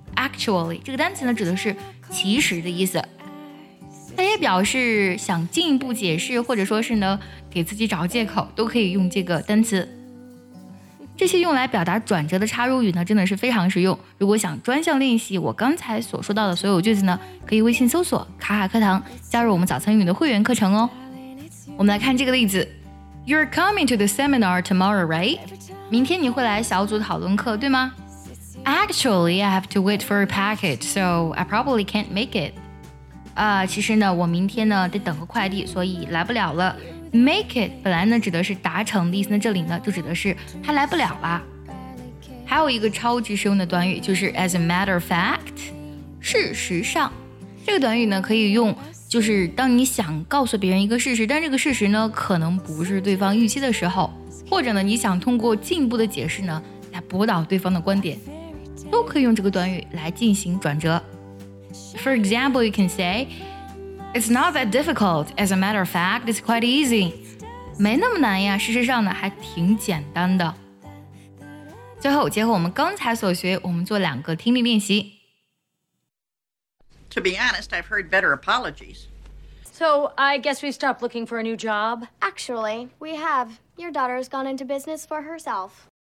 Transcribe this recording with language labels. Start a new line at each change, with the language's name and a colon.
Chinese: actually 这个单词呢指的是其实的意思，它也表示想进一步解释或者说是呢给自己找借口都可以用这个单词。这些用来表达转折的插入语呢真的是非常实用，如果想专项练习我刚才所说到的所有句子呢，可以微信搜索卡卡课堂加入我们早餐英语的会员课程哦。
English: 我们来看这个例子， You're coming to the seminar tomorrow right？
Chinese: 明天你会来小组讨论课对吗？
English: Actually I have to wait for a package so I probably can't make it。
Chinese: 其实呢我明天呢得等个快递所以来不了了。 Make it 本来呢指的是达成的意思，那这里呢就指的是他来不了了。还有一个超级实用的短语就是 as a matter of fact， 事实上。这个短语呢可以用就是当你想告诉别人一个事实，但这个事实呢可能不是对方预期的时候，或者呢你想通过进一步的解释呢来驳倒对方的观点，都可以用这个短语来进行转折。
English: For example you can sayIt's not that difficult. As a matter of fact, it's quite easy.
Chinese: 没那么难呀，事实上呢还挺简单的。最后结合我们刚才所学，我们做两个听力练习。
English: To be honest, I've heard better apologies. So, I guess we stopped looking for a new job? Actually, we have. Your daughter's gone into business for herself.